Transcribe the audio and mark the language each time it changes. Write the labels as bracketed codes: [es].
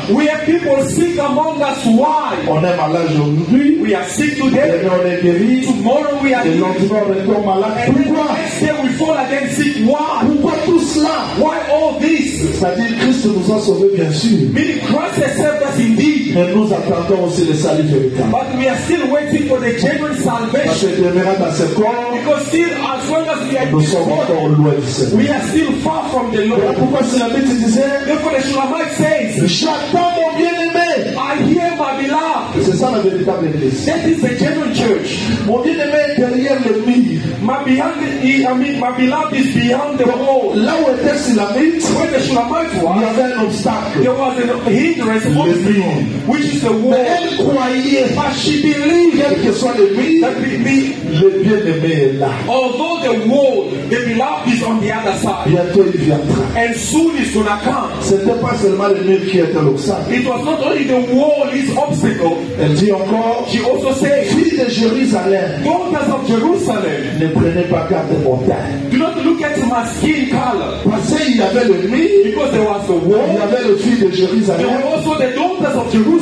[en] We have people sick among us. Why? [fr] On est malade aujourd'hui. [en] We are sick today. [fr] Et on est guéri. [en] Tomorrow we are. [fr] Et lendemain on est encore malade. Pourquoi? [en] Next day we fall again sick. Why? [fr] Pourquoi tout cela? [en] Why all this? Jesus. [fr] C'est-à-dire Christ nous a sauvés, bien sûr. [en] Meaning Christ has saved us indeed. [fr] Mais nous attendons aussi le salut véritable. [en] But we are still waiting for the genuine salvation. [fr] Parce que [en] because still as long as we are [fr] nous sommes encore loin du Seigneur. [en] We are still far from the Lord. [fr] Et pourquoi c'est la Bible disait? [en] Therefore the Shulamite says. [fr] J'attends mon bien-aimé. [en] I hear my beloved. [fr] C'est ça la véritable église. [en] That is the genuine church. [fr] Mon bien-aimé est derrière le mur. [en] My beloved is behind the wall. [fr] Là où était Shulamite, [en] where the Shulamite was, [fr] il y avait un obstacle. [en] There was an hindrance, which is the wall. [fr] Mais elle croyait, [en] but she believed, [fr] quel que soit le mur, [en] that [fr] le bien-aimé est là. [en] Although the wall, the beloved is on the other side. [fr] Bientôt il viendra. [en] And soon he's gonna come. [fr] C'était pas seulement le mur qui était l'obstacle. [en] It was not only the wall, his obstacle. [fr] Elle dit encore, [en] she also says, [fr] fille de Jérusalem, [en] daughters of Jerusalem, [fr] ne prenez pas garde mon teint. [en] Do not look at my skin color. [fr] Parce qu'il y avait le mur. [en] Because there was a wall. [fr] Il y avait le fille de Jérusalem. [en] There were also the daughters of Jerusalem.